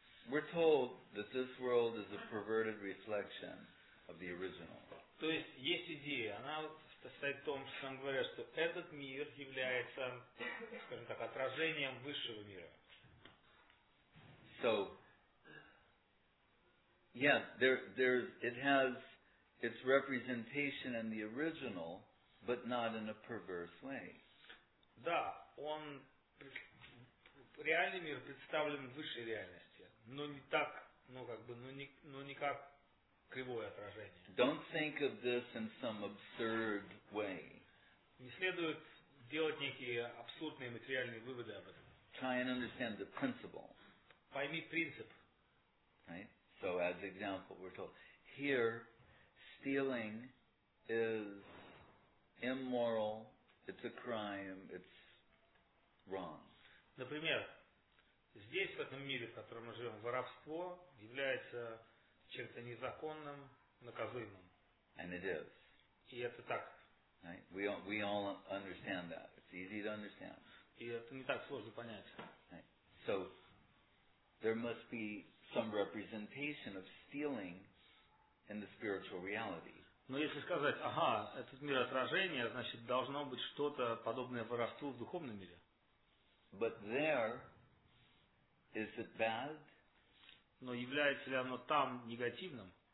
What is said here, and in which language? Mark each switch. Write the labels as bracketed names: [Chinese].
[English] We're told that this world is a perverted reflection of the original. [Russian] То есть есть идея, она состоит в том, что нам говорят, что этот мир является, скажем так, отражением высшего мира. [English] So, yes, it has its representation in the original. But not in a perverse way. [Russian] Да, он реальный мир представлен в высшей реальности, но не так, но не как кривое отражение. [English] Don't think of this in some absurd way. [Russian] Не следует делать некие абсурдные материальные выводы об этом. [English] Try and understand the principle. [Russian] Пойми принцип. [English] Right. So, as example, we're told here, stealing is immoral, it's a crime, it's wrong. [Russian] Например, здесь, в этом мире, в котором мы живем, воровство является чем-то незаконным, наказуемым. [English] And it is. [Russian] И это так. [English] Right? We all understand that. It's easy to understand. [Russian] И это не так сложно понять. [English] Right. So, there must be some representation of stealing in the spiritual reality. [Russian] Но если сказать, этот мир отражения, значит, должно быть что-то подобное воровству в духовном мире. [English] But there, is it bad? [Russian] Но является ли оно там негативным?